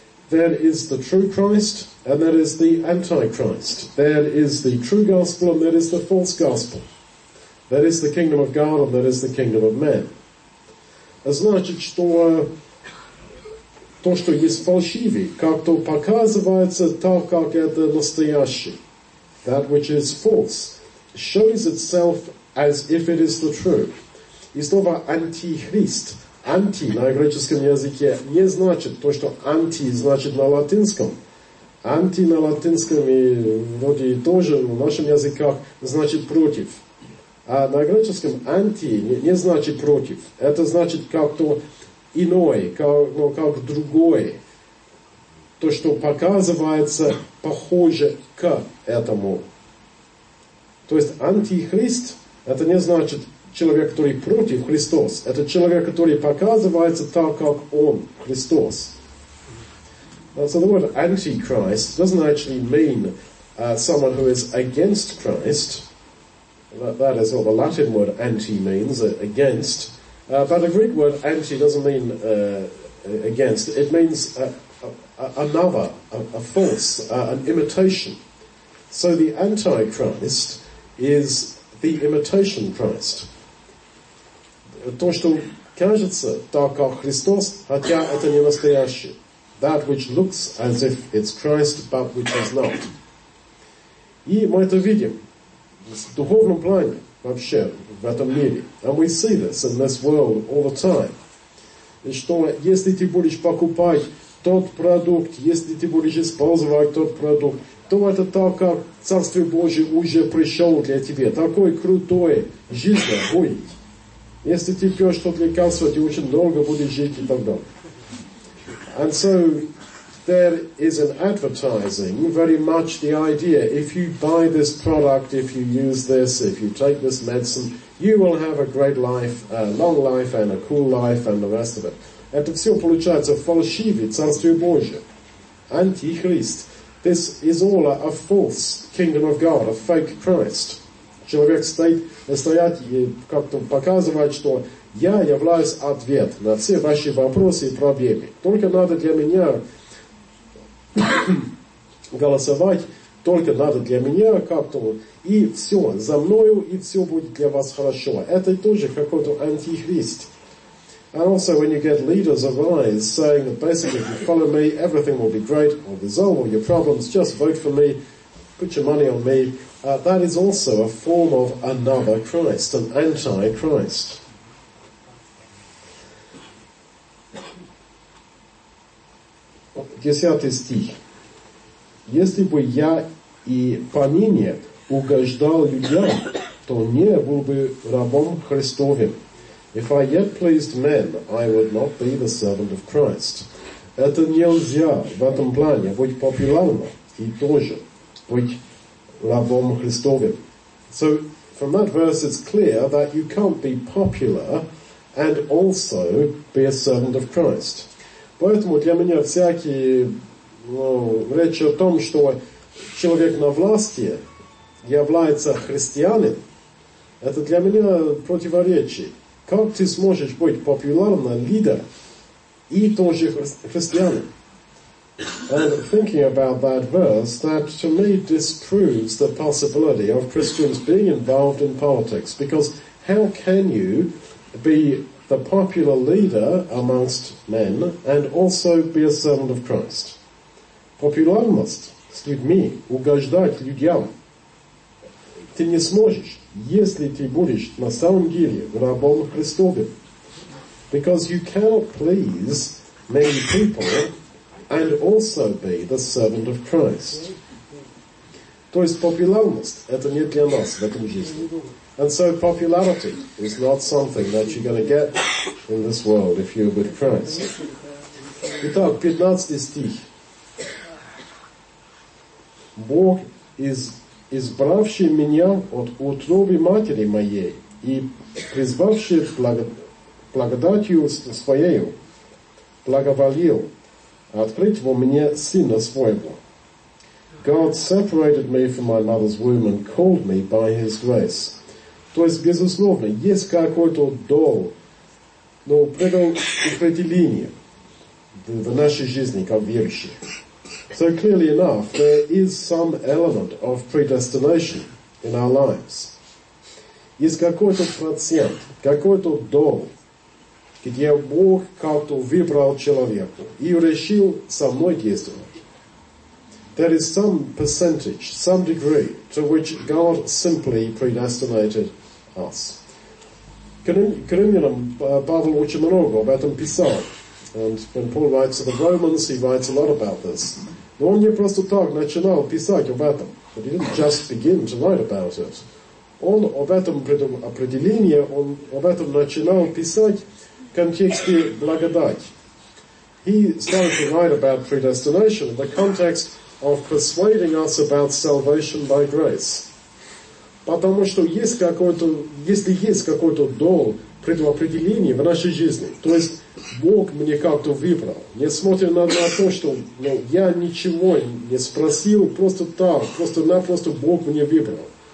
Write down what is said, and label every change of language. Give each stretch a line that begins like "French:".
English: There is the true Christ, and there is the Antichrist. There is the true gospel, and there is the false gospel. That is the kingdom of God and that is the kingdom of man.
Russian: А значит, что то, что есть фальшивый, как то показывается так, как это настоящий.
English: That which is false shows itself as if it is the true.
Russian: И слово антихрист. Анти на греческом языке не значит то, что анти значит на латинском. Анти на латинском и вроде тоже в нашем языках значит против. А на греческом анти не значит против. Это значит как-то иной, как другой. То, что показывается, похоже к этому. То есть антихрист, это не значит человек, который против Христос. Это человек, который показывается так, как он, Христос.
English: So the word antichrist doesn't actually mean someone who is against Christ. That is what the Latin word anti means, against. But the Greek word anti doesn't mean against. It means another, a false, an imitation. So the antichrist is the imitation Christ.
Russian: То, что кажется так, как Христос, хотя это не настоящее.
English: That which looks as if it's Christ, but which is not.
Russian: И мы это видим в духовном плане вообще в этом мире.
English: And we see this in this world all the time.
Russian: И что если ты будешь покупать тот продукт, если ты будешь использовать тот продукт, то это так, как Царствие Божие уже пришло для тебя. Такой крутой жизнь будет. Если ты пьешь тот лекарство, ты очень долго будешь жить и так далее.
English: And so, there is an advertising, very much the idea, if you buy this product, if you use this, if you take this medicine, you will have a great life, a long life and a cool life and the rest of it.
Russian: Это все получается фальшивое Царствие Божие.
English: Антихрист. This is all a false kingdom of God, a fake Christ.
Russian: Человек стоит и как-то показывает, что я являюсь ответ на все ваши вопросы и проблемы. Только надо для меня голосовать, только надо для меня как-то, и все, за мною, и все будет для вас хорошо. Это тоже какой-то антихрист.
English: And also when you get leaders arise saying that basically if you follow me, everything will be great, I'll resolve all your problems, just vote for me, put your money on me. That is also a form of another Christ, an anti-Christ.
Russian: Десятый стих. Если бы я и поныне угождал людям, то не был бы рабом Христовым.
English: If I yet pleased men, I would not be the servant of Christ.
Russian: Это нельзя в этом плане быть популярным и тоже быть рабом Христовым.
English: So, from that verse, it's clear that you can't be popular and also be a servant of Christ.
Russian: Поэтому для меня всякий речь о том, что человек на власти является христианин, это для меня противоречие. Как ты сможешь быть популярным лидером и тоже христианином?
English: And thinking about that verse, that to me disproves the possibility of Christians being involved in politics. Because how can you be the popular leader amongst men and also be a servant of Christ?
Russian: Популярность,
English: excuse me,
Russian: угождать людям. Ты не сможешь, если ты будешь на самом деле рабом Христовым.
English: Because you cannot please many people and also be the servant of Christ.
Russian: То есть популярность, это не для нас в этом жизни.
English: And so popularity is not something that you're going to get in this world if you're with Christ.
Russian: Итак, 15 стих. Бог избравший меня от утробы матери моей и призвавший благодатью своею, благоволил открыть во мне сына своего.
English: God separated me from my mother's womb and called me by his grace.
Russian: То есть, безусловно, есть какой-то долг, но предал определение в нашей жизни как верующих.
English: So clearly enough, there is some element of predestination in our lives.
Russian: есть какой-то процент, какой-то долг, где Бог как-то выбрал человека и решил со мной действовать.
English: There is some percentage, some degree to which God simply predestinated us.
Russian: Коринфянам Павел очень много об этом писал.
English: And when Paul writes to the Romans, he writes a lot about this.
Russian: Но он не просто так начинал писать об этом.
English: But he didn't just begin to write about it.
Russian: Он об этом определении, он об этом начинал писать в контексте благодати.
English: He started to write about predestination in the context of persuading us about salvation by grace.
Russian: Потому что есть какой-то, если есть какой-то долг предопределения в нашей жизни, то есть Бог мне как-то выбрал, несмотря на то, что ну, я ничего не спросил, просто так, просто-напросто Бог мне выбрал.